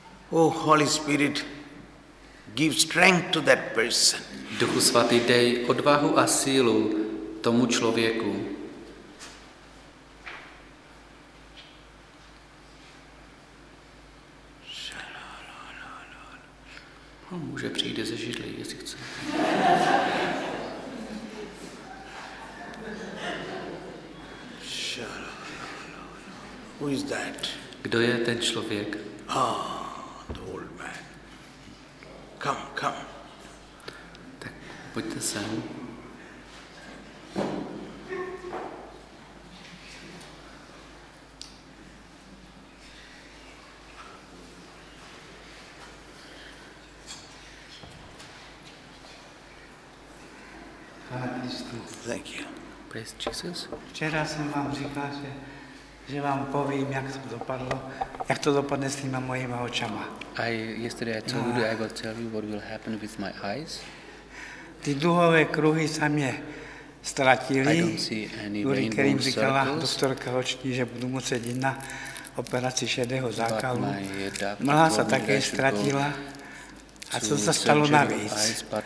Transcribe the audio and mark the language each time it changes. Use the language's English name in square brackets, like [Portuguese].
[English] Oh, Holy Spirit, give strength to that person. [Czech] Duchu svatý, dej odvahu a sílu tomu člověku. Může přijít ze židlí, jestli chce. [English] Who is that? [Czech] Kdo je ten člověk? [English] Ah, the old man. Come, come. [Czech] Tak pojďte sem. [English] Thank you. Praise Jesus. [Czech] Včera jsem vám říkal, že vám povím, jak to dopadlo, jak to dopadne s těma mojima očama. [English] Yesterday I will tell you what will happen with my eyes. [Czech] Ty duhové kruhy se mě ztratily. [English] I don't see any rainbow circles. [Czech] Kterým říkala doktorka oční, že budu muset jít na operaci šedého zákalu. Mlha se také ztratila. A co se stalo navíc?